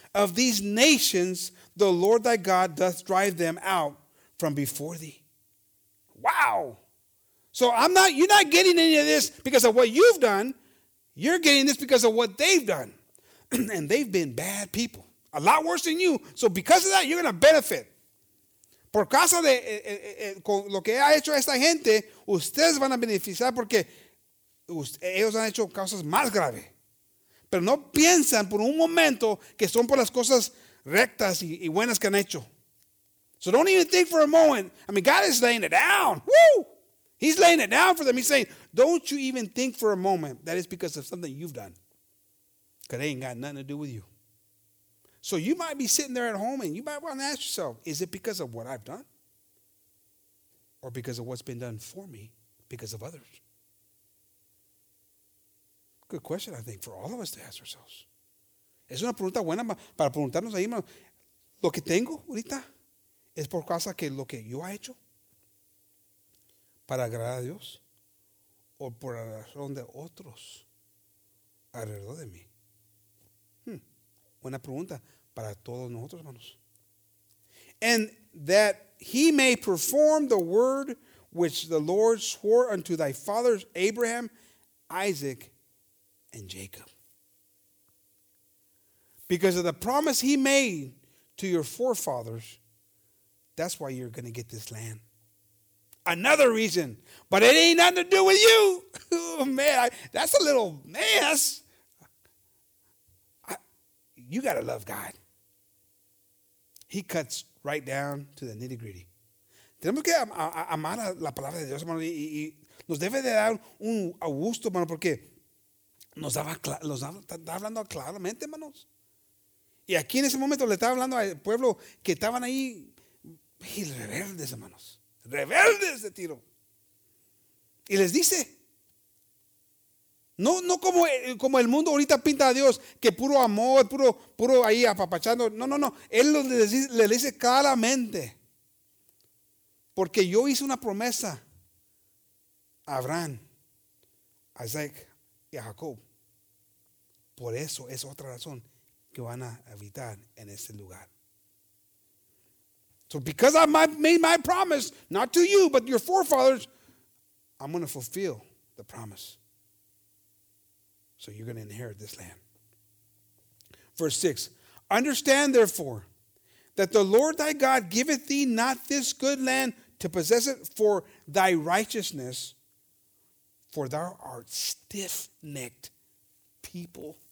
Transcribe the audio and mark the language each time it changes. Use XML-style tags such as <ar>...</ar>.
<en>of these nations, the Lord thy God doth drive them out from before thee. Wow. So you're not getting any of this because of what you've done. You're getting this because of what they've done. And they've been bad people. A lot worse than you. So because of that, you're going to benefit.</en> <es>Por causa de con lo que ha hecho esta gente, ustedes van a beneficiar porque ellos han hecho causas más graves. Pero no piensan por un momento que son por las cosas rectas y buenas que han hecho.</es> <en>So don't even think for a moment. I mean, God is laying it down. Woo! He's laying it down for them. He's saying, don't you even think for a moment that it's because of something you've done. Because it ain't got nothing to do with you. So you might be sitting there at home and you might want to ask yourself, is it because of what I've done? Or because of what's been done for me because of others? Good question, I think, for all of us to ask ourselves.</en> <es>Es una pregunta buena para preguntarnos ahí, lo que tengo ahorita es por causa que lo que yo ha hecho para agradar a Dios o por la razón de otros alrededor de mí. Buena pregunta para todos nosotros, hermanos.</es> <en>And that he may perform the word which the Lord swore unto thy fathers Abraham, Isaac, and Jacob. Because of the promise he made to your forefathers, that's why you're going to get this land. Another reason. But it ain't nothing to do with you. Oh, man, that's a little mess. You got to love God. He cuts right down to the nitty-gritty.</en> <es>Tenemos que amar la palabra de Dios, hermano, y nos debe de dar un gusto, hermano, porque está hablando claramente, hermanos. Y aquí en ese momento le estaba hablando al pueblo que estaban ahí rebeldes, hermanos. Rebeldes de tiro. Y les dice. No como el mundo ahorita pinta a Dios, que puro amor, puro ahí apapachando. No. Él les dice claramente. Porque yo hice una promesa a Abraham, a Isaac y a Jacob. Por eso es otra razón que van a habitar en este lugar.</es> <en>So because I made my promise, not to you, but your forefathers, I'm going to fulfill the promise. So you're going to inherit this land. Verse 6. Understand therefore that the Lord thy God giveth thee not this good land to possess it for thy righteousness, for thou art stiff-necked people.</en>